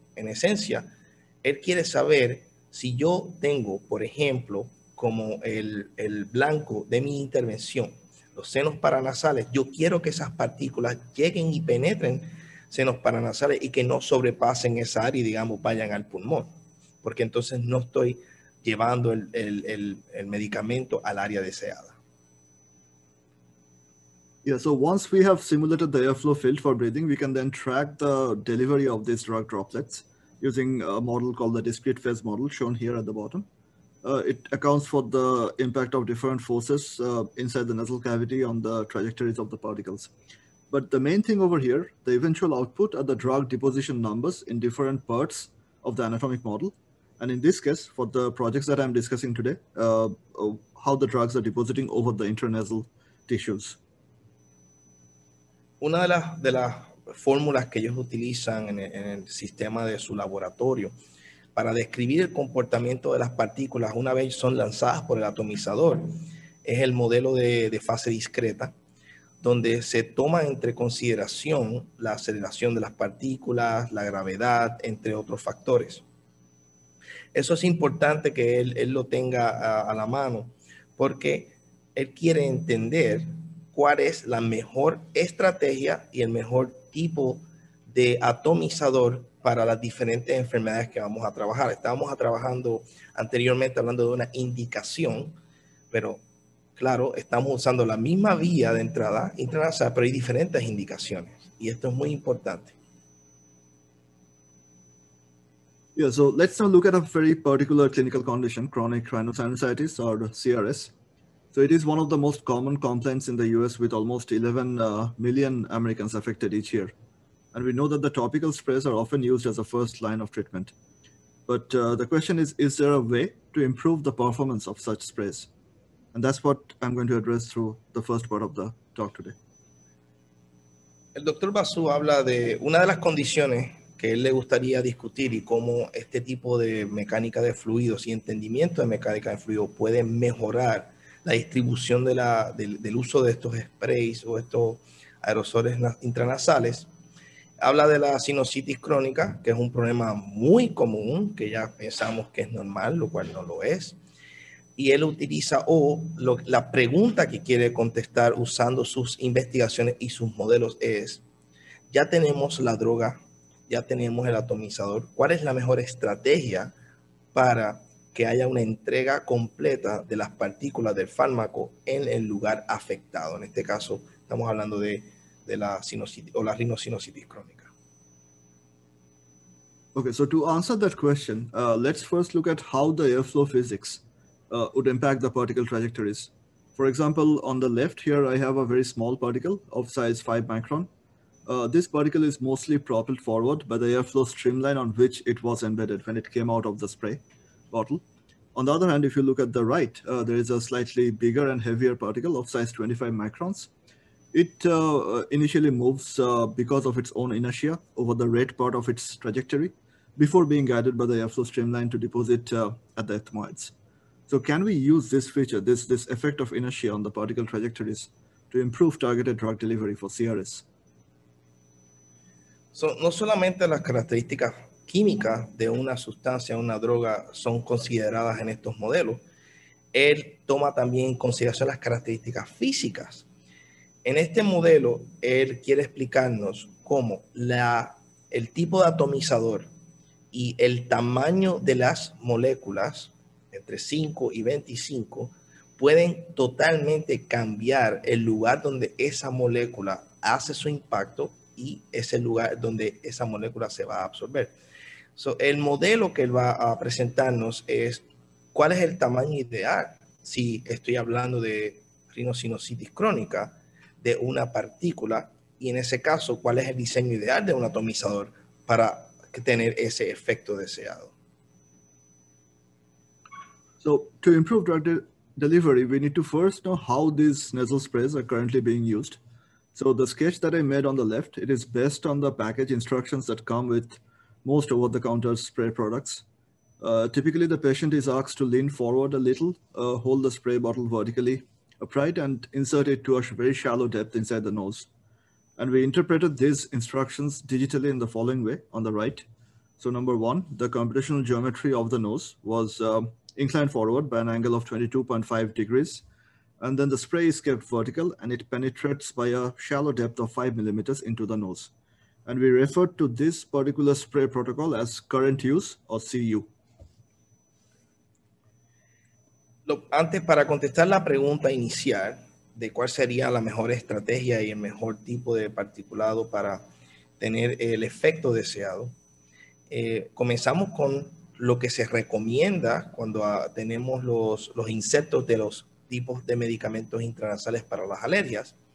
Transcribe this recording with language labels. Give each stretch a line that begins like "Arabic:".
Spanish: En esencia, él quiere saber si yo tengo, por ejemplo, como el blanco de mi intervención, los senos paranasales, yo quiero que esas partículas lleguen y penetren senos paranasales y que no sobrepasen esa área y, digamos, vayan al pulmón, porque entonces no estoy llevando el medicamento al área deseada.
English: Yeah, so once we have simulated the airflow field for breathing, we can then track the delivery of these drug droplets using a model called the discrete phase model shown here at the bottom. It accounts for the impact of different forces inside the nasal cavity on the trajectories of the particles. But the main thing over here, the eventual output are the drug deposition numbers in different parts of the anatomic model. And in this case, for the projects that I'm discussing today, how the drugs are depositing over the intranasal tissues.
Spanish: Una de las fórmulas que ellos utilizan en el sistema de su laboratorio para describir el comportamiento de las partículas una vez son lanzadas por el atomizador es el modelo de fase discreta, donde se toma entre consideración la aceleración de las partículas, la gravedad, entre otros factores. Eso es importante que él lo tenga a la mano, porque él quiere entender cuál es la mejor estrategia y el mejor tipo de atomizador para las diferentes enfermedades que vamos a trabajar. Estábamos trabajando anteriormente hablando de una indicación, pero claro, estamos usando la misma vía de entrada intranasal, pero hay diferentes indicaciones y esto es muy importante.
English: Yeah, so let's now look at a very particular clinical condition, chronic rhinosinusitis or CRS. So it is one of the most common complaints in the US with almost 11 million Americans affected each year. And we know that the topical sprays are often used as a first line of treatment. But the question is there a way to improve the performance of such sprays? And that's what I'm going to address through the first part of the talk today.
Spanish: El doctor Basu habla de una de las condiciones que él le gustaría discutir y cómo este tipo de mecánica de fluidos y entendimiento de mecánica de fluidos puede mejorar la distribución de del uso de estos sprays o estos aerosoles intranasales. Habla de la sinusitis crónica, que es un problema muy común, que ya pensamos que es normal, lo cual no lo es. Y él utiliza la pregunta que quiere contestar usando sus investigaciones y sus modelos es, ya tenemos la droga, ya tenemos el atomizador. ¿Cuál es la mejor estrategia para que haya una entrega completa de las partículas del fármaco en el lugar afectado? En este caso, estamos hablando de la sinusitis o la rinosinusitis crónica.
English: Okay, so to answer that question, let's first look at how the airflow physics would impact the particle trajectories. For example, on the left here, I have a very small particle of size 5 micron. This particle is mostly propelled forward by the airflow streamline on which it was embedded when it came out of the spray bottle. On the other hand, if you look at the right, there is a slightly bigger and heavier particle of size 25 microns. It initially moves because of its own inertia over the red part of its trajectory before being guided by the airflow streamline to deposit at the ethmoids. So can we use this feature, this effect of inertia on the particle trajectories to improve targeted drug delivery for CRS?
Spanish: So no solamente las características químicas de una sustancia, una droga, son consideradas en estos modelos. Él toma también en consideración las características físicas. En este modelo, él quiere explicarnos cómo el tipo de atomizador y el tamaño de las moléculas, entre 5 y 25, pueden totalmente cambiar el lugar donde esa molécula hace su impacto y ese lugar donde esa molécula se va a absorber. So, el modelo que él va a presentarnos es cuál es el tamaño ideal, si estoy hablando de rinosinusitis crónica, de una partícula, y en ese caso, cuál es el diseño ideal de un atomizador para tener ese efecto deseado.
English: So, to improve drug delivery, we need to first know how these nasal sprays are currently being used. So, the sketch that I made on the left, it is based on the package instructions that come with most over-the-counter spray products. Typically, the patient is asked to lean forward a little, hold the spray bottle vertically upright, and insert it to a very shallow depth inside the nose. And we interpreted these instructions digitally in the following way on the right. So number one, the computational geometry of the nose was inclined forward by an angle of 22.5 degrees. And then the spray is kept vertical and it penetrates by a shallow depth of 5 millimeters into the nose. And we referred to this particular spray protocol as current use or CU.
Spanish: Antes, para contestar la pregunta inicial de cuál sería la mejor estrategia y el mejor tipo de particulado para tener el efecto deseado, comenzamos con lo que se recomienda cuando tenemos los insertos de los tipos de medicamentos intranasales para las alergias.